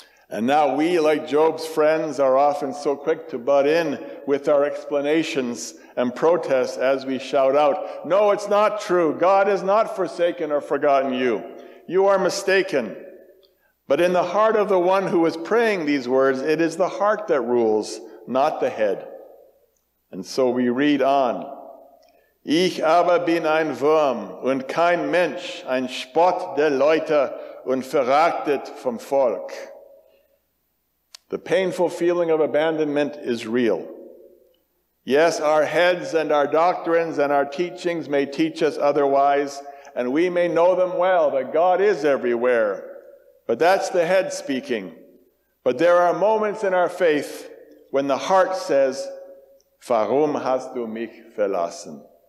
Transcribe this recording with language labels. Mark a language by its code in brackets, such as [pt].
[en] And now we, like Job's friends, are often so quick to butt in with our explanations and protests as we shout out, "No, it's not true. God has not forsaken or forgotten you. You are mistaken." But in the heart of the one who is praying these words, it is the heart that rules, not the head. And so we read on. [de] "Ich aber bin ein Wurm und kein Mensch, ein Spott der Leute und verachtet vom Volk." [en] The painful feeling of abandonment is real. Yes, our heads and our doctrines and our teachings may teach us otherwise, and we may know them well, that God is everywhere. But that's the head speaking. But there are moments in our faith when the heart says, [de] Warum hast du mich verlassen?